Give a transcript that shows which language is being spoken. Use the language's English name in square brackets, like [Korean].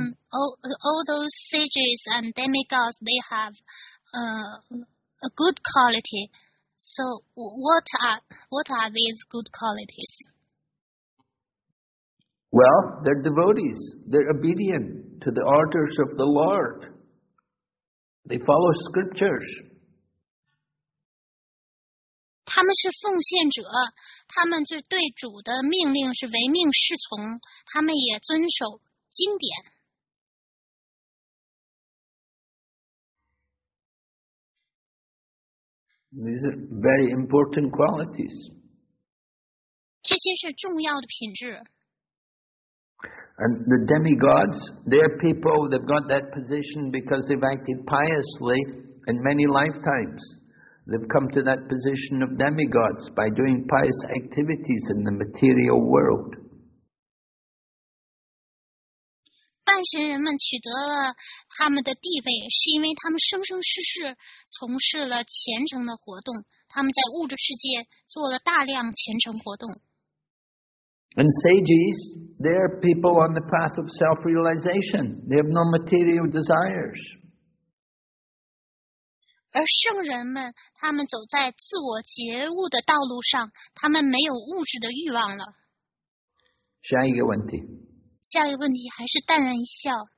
[English] All those sages and demigods, they have a good quality. So, what are these good qualities? Well, they're devotees. They're obedient to the orders of the Lord. They follow scriptures. [Chinese] 他们是奉献者，他们是对主的命令是唯命是从，他们也遵守经典。 [English] These are very important qualities. [Chinese] 这些是重要的品质。 [English] And the demigods, they're people, they've got that position because they've acted piously in many lifetimes. They've come to that position of demigods by doing pious activities in the material world. [Chinese] 半神人们取得了他们的地位，是因为他们生生世世从事了虔诚的活动，他们在物质世界做了大量虔诚活动。 [English] And sages, they are people on the path of self-realization. They have no material desires. [Chinese] 而圣人们，他们走在自我觉悟的道路上，他们没有物质的欲望了。下一个问题。下一个问题还是淡然一笑。